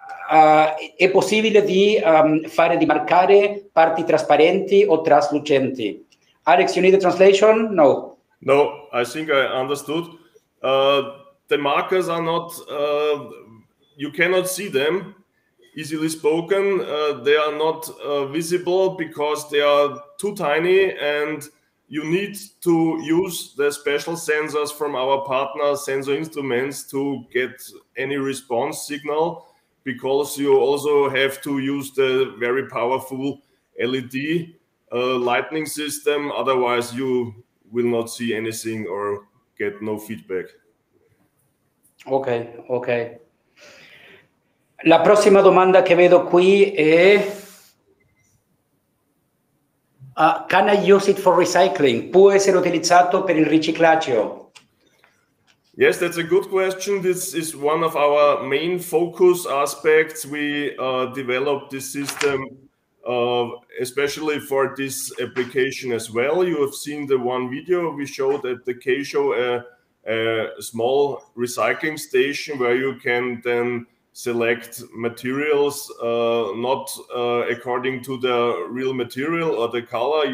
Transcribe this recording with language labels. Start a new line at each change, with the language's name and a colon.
Italian: È possibile di fare di marcare parti trasparenti o traslucenti?
English: Alex, you need a translation? No. No, I think I understood. The markers are not, you cannot see them. Easily spoken, they are not visible because they are too tiny, and you need to use the special sensors from our partner sensor instruments to get any response signal, because you also have to use the very powerful LED lighting system, otherwise you will not see anything or get no feedback. Okay.
Italian: La prossima domanda che vedo qui è
English: can I use it for recycling?
Italian: Può essere utilizzato per il riciclaggio?
English: Yes, that's a good question. This is one of our main focus aspects. We developed this system especially for this application as well. You have seen the one video we showed at the K-Show, a small recycling station where you can then select materials according to the real material or the color.